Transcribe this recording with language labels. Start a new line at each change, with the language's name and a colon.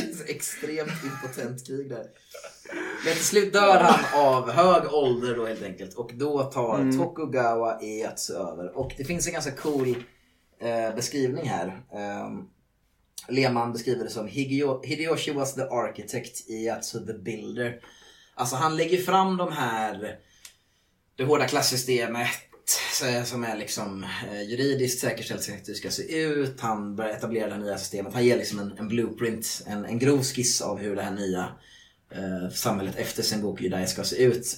Swedish: Det är så extremt impotent krig där. Men till slut dör han av hög ålder då helt enkelt, och då tar Tokugawa Ieyasu över. Och det finns en ganska cool beskrivning här.
English: Lehmann
Swedish: beskriver det som
English: Hideyoshi was the architect, Ieyasu the builder.
Swedish: Alltså han lägger fram de här, det hårda klassystemet som är liksom juridiskt säkerställt hur det ska se ut. Han börjar etablera det nya systemet. Han ger liksom en blueprint, en grov skiss av hur det här nya samhället efter Sengoku Jidai ska se ut.